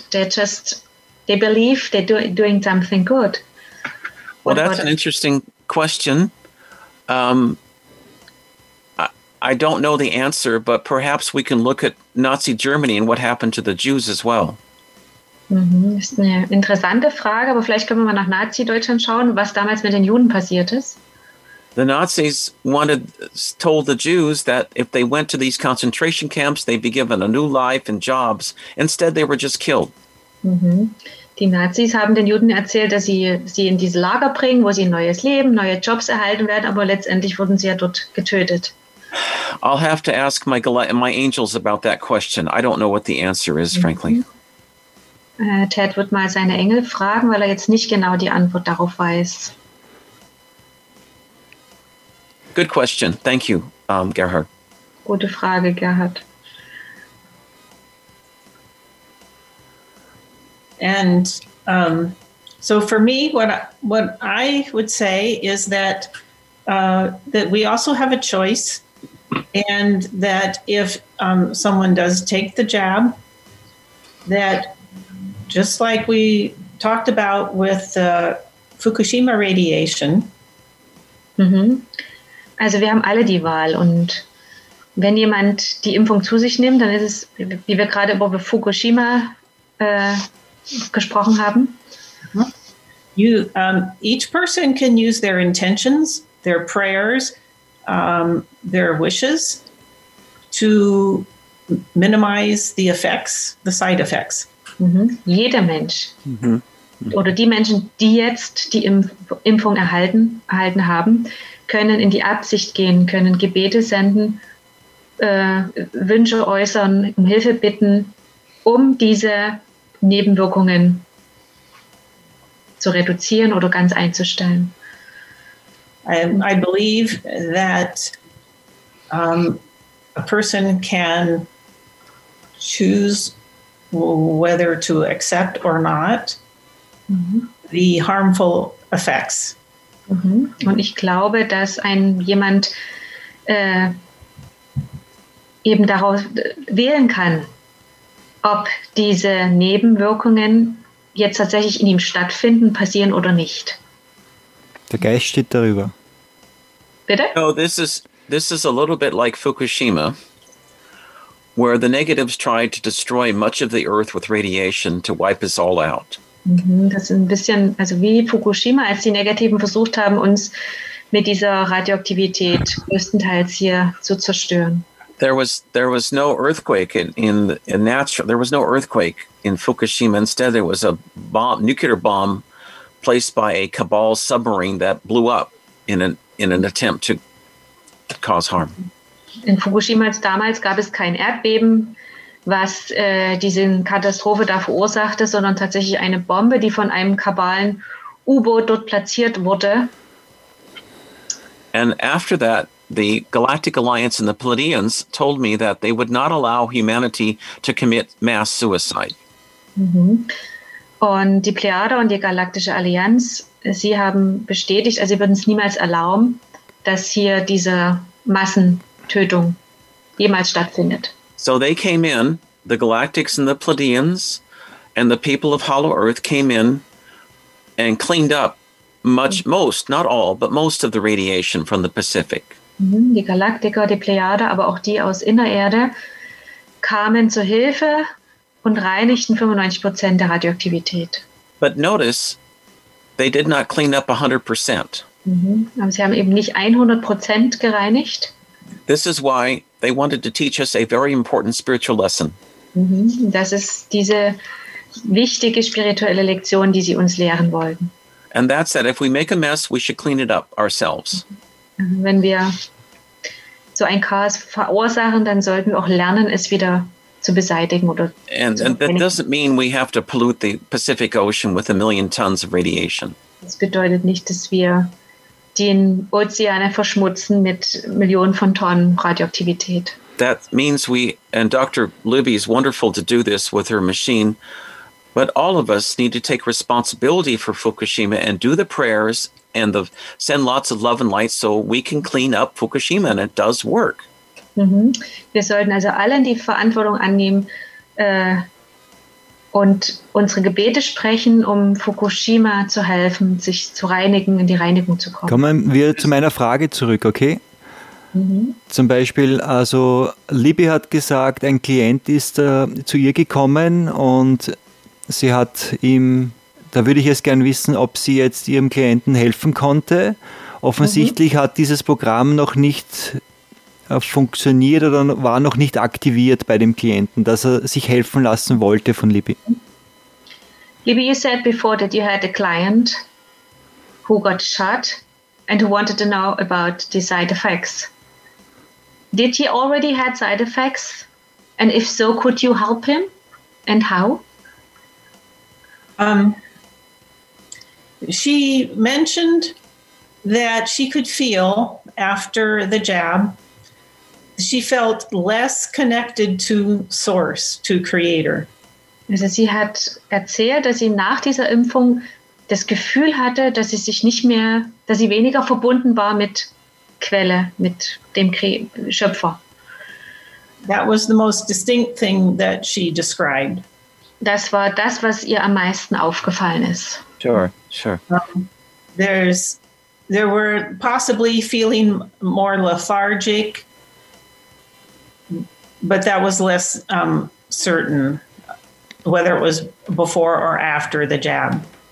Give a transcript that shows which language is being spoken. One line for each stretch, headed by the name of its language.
English: They believe they're doing something good. Well, that's an interesting question. I don't know the answer, but perhaps we can look at Nazi Germany and what happened to the Jews as well. Mm-hmm.
German: Ist eine interessante Frage, aber vielleicht können wir mal nach Nazi-Deutschland schauen, was damals mit den Juden passiert ist.
English: The Nazis told the Jews that if they went to these concentration camps, they'd be given a new life and jobs. Instead, they were just killed. Mm-hmm.
German: Die Nazis haben den Juden erzählt, dass sie sie in diese Lager bringen, wo sie ein neues Leben, neue Jobs erhalten werden, aber letztendlich wurden sie ja dort getötet.
English: I'll have to ask my angels about that question. I don't know what the answer is, frankly.
German: Ted wird mal seine Engel fragen, weil er jetzt nicht genau die Antwort darauf weiß.
English: Good question. Thank you, Gerhard.
German: Gute Frage, Gerhard.
English: And so for me, what I would say is that that we also have a choice, and that if someone does take the jab, that just like we talked about with the Fukushima radiation. Mm-hmm.
German: Also wir haben alle die Wahl, und wenn jemand die Impfung zu sich nimmt, dann ist es, wie wir gerade über Fukushima gesprochen haben.
English: You, each person can use their intentions, their prayers, their wishes to minimize the effects, the side effects.
German: Mhm. Jeder Mensch. Mhm. Mhm. Oder die Menschen, die jetzt die Impfung erhalten haben, können in die Absicht gehen, können Gebete senden, Wünsche äußern, um Hilfe bitten, um diese Nebenwirkungen zu reduzieren oder ganz einzustellen.
English: I believe that a person can choose whether to accept or not the harmful effects.
German: Und ich glaube, dass jemand eben daraus wählen kann, ob diese Nebenwirkungen jetzt tatsächlich in ihm stattfinden, passieren oder nicht. Der Geist steht darüber. Bitte?
English: No, this is a little bit like Fukushima, where the negatives tried to destroy much of the earth with radiation to wipe us all out.
German: Das ist ein bisschen, also wie Fukushima, als die Negativen versucht haben, uns mit dieser Radioaktivität größtenteils hier zu zerstören.
English: There was no earthquake in natural. There was no earthquake in Fukushima. Instead, there was a bomb, nuclear bomb, placed by a cabal submarine that blew up in an attempt to cause harm.
German: In Fukushima damals gab es kein Erdbeben, was diese Katastrophe da verursachte, sondern tatsächlich eine Bombe, die von einem kabalen U-Boot dort platziert wurde.
English: And after that, the Galactic Alliance and the Pleiadians told me that they would not allow humanity to commit mass suicide. Mm-hmm.
German: Und die Plejade und die Galaktische Allianz, sie haben bestätigt, also sie würden es niemals erlauben, dass hier diese Massentötung jemals stattfindet.
English: So they came in, the Galactics and the Pleiadians and the people of Hollow Earth came in and cleaned up most of the radiation from the Pacific.
German: Die Galaktiker, die Plejade, aber auch die aus Innererde kamen zur Hilfe und reinigten 95% der Radioaktivität.
English: But notice, they did not clean up 100%.
German: Aber sie haben eben nicht 100% gereinigt.
English: This is why they wanted to teach us a very important spiritual lesson.
German: Das ist diese wichtige spirituelle Lektion, die sie uns lehren wollten.
English: And that's that if we make a mess, we should clean it up ourselves.
German: Wenn wir so ein Chaos verursachen, dann sollten wir auch lernen, es wieder zu beseitigen oder.
English: And that doesn't mean we have to pollute the Pacific Ocean with a million tons of radiation.
German: Das bedeutet nicht, dass wir den Ozeane verschmutzen mit Millionen von Tonnen Radioaktivität.
English: That means we, and Dr. Libby is wonderful to do this with her machine, but all of us need to take responsibility for Fukushima and do the prayers and the send lots of love and light so we can clean up Fukushima, and it does work. Mm-hmm.
German: Wir sollten also alle die Verantwortung annehmen und unsere Gebete sprechen, um Fukushima zu helfen, sich zu reinigen, in die Reinigung zu kommen. Kommen wir zu meiner Frage zurück, okay? Zum Beispiel, also Libby hat gesagt, ein Klient ist zu ihr gekommen und sie hat ihm, da würde ich jetzt gern wissen, ob sie jetzt ihrem Klienten helfen konnte. Offensichtlich hat dieses Programm noch nicht funktioniert oder war noch nicht aktiviert bei dem Klienten, dass er sich helfen lassen wollte von Libby.
English: Libby, you said before that you had a client who got shot and who wanted to know about the side effects. Did he already had side effects? And if so, could you help him? And how? She mentioned that she could feel after the jab, she felt less connected to source, to creator.
German: Also sie hat erzählt, dass sie nach dieser Impfung das Gefühl hatte, dass sie sich nicht mehr, dass sie weniger verbunden war mit Quelle, mit dem Schöpfer.
English: That was the most distinct thing that she described.
German: Das war das, was ihr am meisten aufgefallen ist.
English: Sure, sure. There were possibly feeling more lethargic, but that was less certain whether it was before or after the jab.